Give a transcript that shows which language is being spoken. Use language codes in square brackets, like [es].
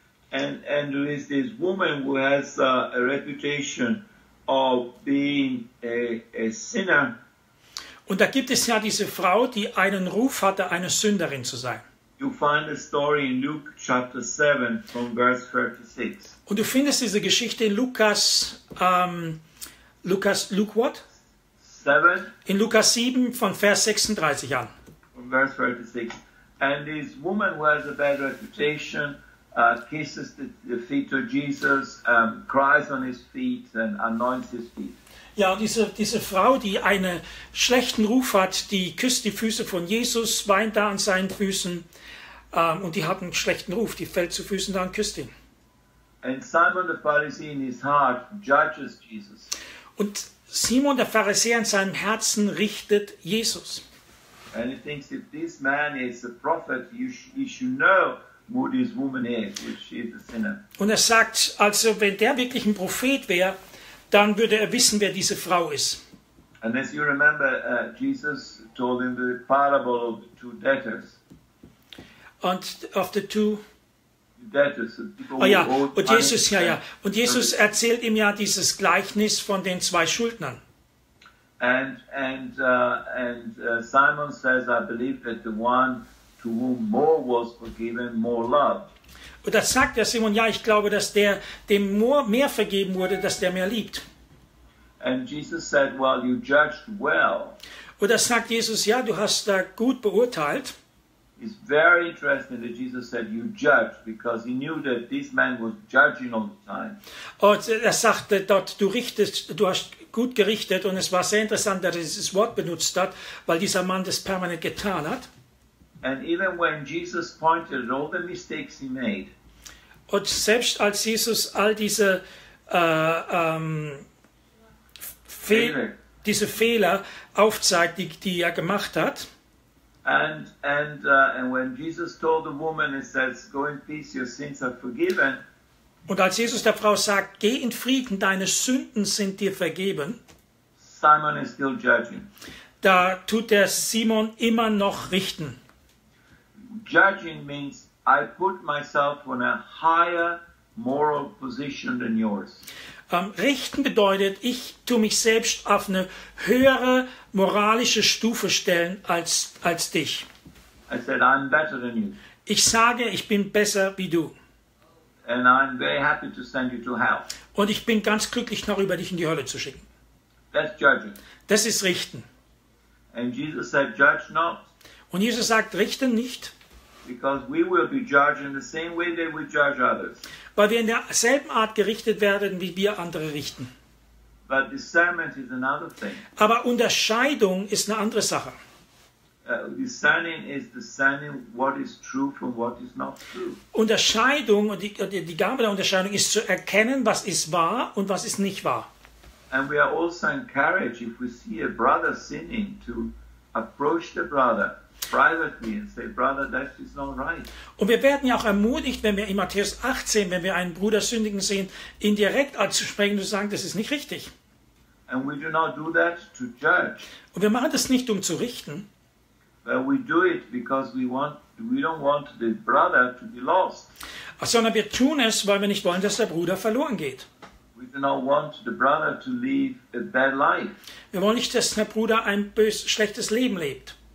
[en] And there is this woman who has a reputation of being a sinner. [de] Und da gibt es ja diese Frau, die einen Ruf hatte, eine Sünderin zu sein. [en] You find the story in Luke chapter 7 from verse 36. [de] Und du findest diese Geschichte in Luke [en] what? 7. [de] In Lukas 7 von Vers 36 an. [en] From verse 36. And this woman who has a bad reputation kisses the feet of Jesus, cries on his feet and anoints his feet. [de] Ja, diese Frau, die einen schlechten Ruf hat, die küsst die Füße von Jesus, weint da an seinen Füßen, und die hat einen schlechten Ruf, die fällt zu Füßen da und küsst ihn. [en] And Simon the Pharisee in his heart judges Jesus. [de] Und Simon der Pharisäer in seinem Herzen richtet Jesus. [en] And he thinks if this man is a prophet, you should know who this woman is, which is a sinner. [de] Und er sagt, also wenn der wirklich ein Prophet wäre, dann würde er wissen, wer diese Frau ist. [en] And as you remember, Jesus told him the parable of the two debtors. [de] Und auf der [en] two. That is the oh [de] ja, und Jesus, ja, ja. Und Jesus erzählt ihm ja dieses Gleichnis von den zwei Schuldnern. [en] And Simon says, I believe that the one to whom more was forgiven, more loved. [de] Und da sagt der Simon, ja, ich glaube, dass der, dem mehr vergeben wurde, dass der mehr liebt. [en] And Jesus said, well, you judged well. [de] Und da sagt Jesus, ja, du hast da gut beurteilt. [en] It's very interesting that Jesus said, you judged, because he knew that this man was judging all the time. [de] Und er sagte dort, du richtest, du hast gut gerichtet, und es war sehr interessant, dass er dieses Wort benutzt hat, weil dieser Mann das permanent getan hat. [en] And even when Jesus pointed at all the mistakes he made, [de] und selbst als Jesus all diese diese Fehler aufzeigt, die er gemacht hat. [en] And when Jesus told the woman, he says, "Go in peace, your sins are forgiven." [de] Und als Jesus der Frau sagt, geh in Frieden, deine Sünden sind dir vergeben. [en] Simon is still judging. [de] Da tut der Simon immer noch richten. [en] Judging means I put myself on a higher moral position than yours. [de] Richten bedeutet, ich tue mich selbst auf eine höhere moralische Stufe stellen als dich. [en] I said, I'm better than you. [de] Ich sage, ich bin besser wie du. [en] And I'm very happy to send you to hell. [de] Und ich bin ganz glücklich, noch über dich in die Hölle zu schicken. [en] That's judging. [de] Das ist Richten. [en] And Jesus said, judge not. [de] Und Jesus sagt, richte nicht. [en] Because we will be judged in the same way that we judge others. [de] Weil wir in derselben Art gerichtet werden, wie wir andere richten. [en] But discernment is another thing. [de] Aber Unterscheidung ist eine andere Sache. [en] Discerning is discerning what is true from what is not true. [de] Unterscheidung und die Gabe der Unterscheidung ist zu erkennen, was ist wahr und was ist nicht wahr. [en] And we are also encouraged if we see a brother sinning to approach the brother. Privately and say, brother, that is not right. [de] Und wir werden ja auch ermutigt, wenn wir in Matthäus 18, wenn wir einen Bruder sündigen sehen, ihn direkt anzusprechen und zu sagen, das ist nicht richtig. [en] And we do not do that to judge. [de] Und wir machen das nicht, um zu richten. [en] But we do it because we don't want the brother to be lost. [de] Sondern wir tun es, weil wir nicht wollen, dass der Bruder verloren geht. [en] We do not want the brother to live a bad life. [de] Wir wollen nicht, dass der Bruder ein schlechtes Leben lebt.